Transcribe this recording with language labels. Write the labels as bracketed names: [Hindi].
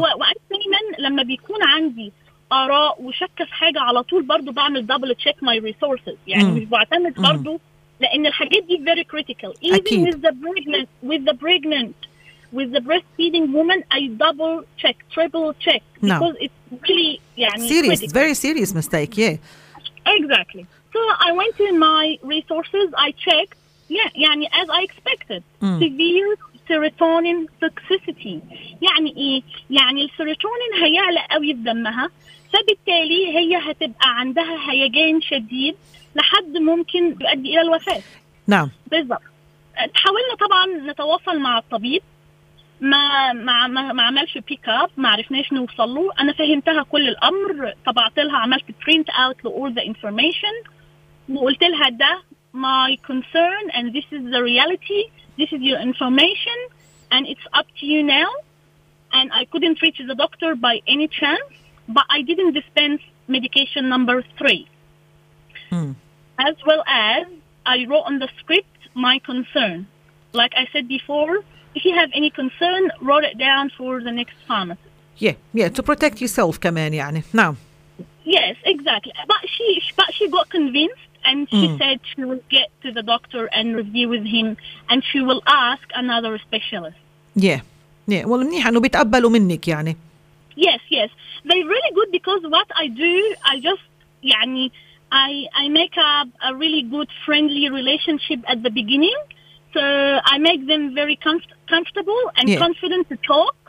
[Arabic] وأنا دائما لما بيكون عندي آراء وشك في حاجة على طول برضو بعمل [English] double check my resources [Arabic] يعني مش بعتمد برضو لأن الحاجات دي [English] very critical. [Arabic] Even أكيد. [English] With the breastfeeding woman, I double check, triple check because it's really يعني serious, critical. Very serious mistake. Yeah. Exactly. So I went to my resources. I checked. Yeah, يعني as I expected, severe serotonin toxicity. [Arabic] يعني إيه؟ يعني السيروتونين هيعلى قوي في دمها، فبالتالي هي هتبقى عندها هيجان شديد. لحد ممكن يؤدي إلى الوفاة. نعم. بالضبط. حاولنا طبعاً نتواصل مع الطبيب، ما عملش بيك أب، ما عرفناش نوصل له. أنا فهمتها كل الأمر، طبعت لها عملت [English] print out all the information [Arabic] وقلت لها ده [English] my concern and this is the reality, this is your information and it's up to you now and I couldn't reach the doctor by any chance but I didn't dispense medication number 3. As well as I wrote on the script my concern. Like I said before, if you have any concern, write it down for the next pharmacist. Yeah, yeah, to protect yourself, [Arabic] كمان يعني. [English] Now. Yes, exactly. But she got convinced, and she said she will get to the doctor and review with him, and she will ask another specialist. Yeah, yeah. [Arabic] Well, منيح إنه بيتقبلوا منك يعني. [English] Yes, yes. They're really good because what I do, I just [Arabic] يعني [English] I make a really good friendly relationship at the beginning, so I make them very comfortable and confident to talk.